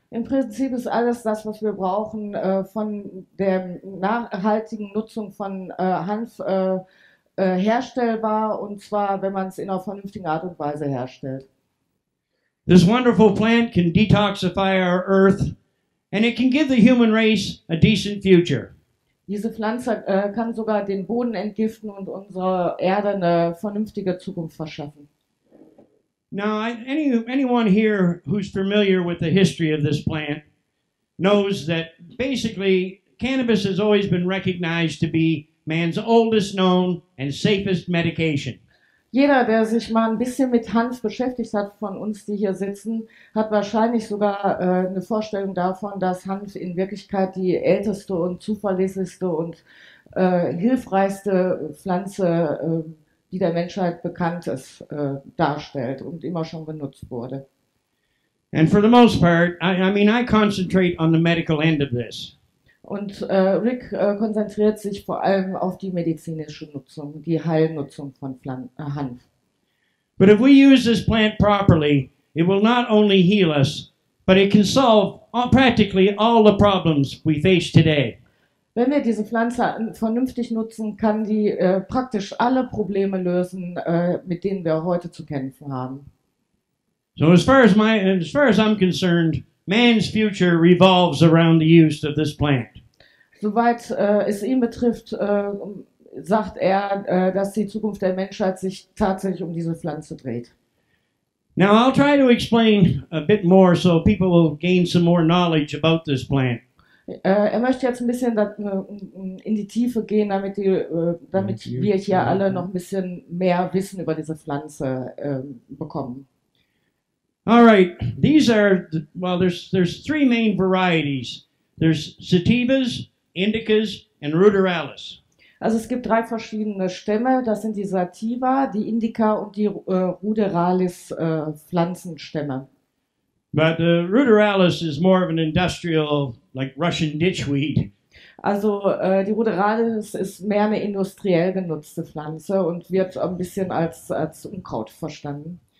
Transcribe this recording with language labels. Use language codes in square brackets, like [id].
[de] Im Prinzip ist alles das, was wir brauchen, von der nachhaltigen Nutzung von Hanf herstellbar, und zwar, wenn man es in einer vernünftigen Art und Weise herstellt. [en] This wonderful plant can detoxify our earth and it can give the human race a decent future. [de] Diese Pflanze kann sogar den Boden entgiften und unserer Erde eine vernünftige Zukunft verschaffen. [en] Now, anyone here who's familiar with the history of this plant knows that basically cannabis has always been recognized to be man's oldest known and safest medication. [de] Jeder, der sich mal ein bisschen mit Hanf beschäftigt hat von uns, die hier sitzen, hat wahrscheinlich sogar eine Vorstellung davon, dass Hanf in Wirklichkeit die älteste und zuverlässigste und hilfreichste Pflanze, die der Menschheit bekannt ist, darstellt und immer schon genutzt wurde. [en] And for the most part, I concentrate on the medical end of this. [de] Und Rick konzentriert sich vor allem auf die medizinische Nutzung, die Heilnutzung von Hanf. [en] But if we use this plant properly, it will not only heal us, but it can solve practically all the problems we face today. [de] Wenn wir diese Pflanze vernünftig nutzen, kann die praktisch alle Probleme lösen, mit denen wir heute zu kämpfen haben. [en] So as far as I'm concerned, man's future revolves around the use of this plant. [de] Soweit es ihn betrifft, sagt er, dass die Zukunft der Menschheit sich tatsächlich um diese Pflanze dreht. [en] Now I'll try to explain a bit more so people will gain some more knowledge about this plant. [de] Er möchte jetzt ein bisschen in die Tiefe gehen, damit wir hier alle noch ein bisschen mehr Wissen über diese Pflanze bekommen. [en] All right, these are, there's three main varieties. There's sativas, indicas, and ruderalis. [de] Also es gibt drei verschiedene Stämme. Das sind die Sativa, die Indica und die Ruderalis Pflanzenstämme. [en] But the ruderalis is more of an industrial, like Russian ditchweed. [de] Also die Ruderalis ist mehr eine industriell genutzte Pflanze und wird ein bisschen als Unkraut verstanden.